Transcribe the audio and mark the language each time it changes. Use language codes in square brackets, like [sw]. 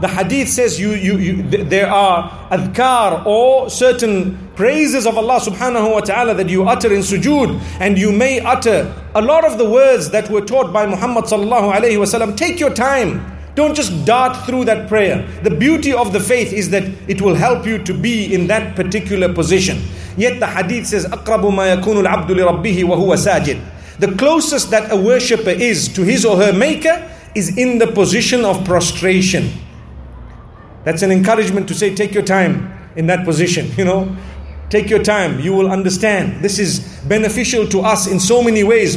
[en] The hadith says there are adhkar or certain praises of Allah subhanahu wa ta'ala that you utter in sujood. And you may utter a lot of the words that were taught by Muhammad sallallahu alayhi wa sallam. Take your time. Don't just dart through that prayer. The beauty of the faith is that it will help you to be in that particular position. [ar] Yet the hadith says, أَقْرَبُ مَا يَكُونُ الْعَبْدُ لِرَبِّهِ وَهُوَ سَاجِدٌ. [en] The closest that a worshipper is to his or her maker is in the position of prostration. That's an encouragement to say, take your time in that position, you know. Take your time, you will understand. This is beneficial to us in so many ways.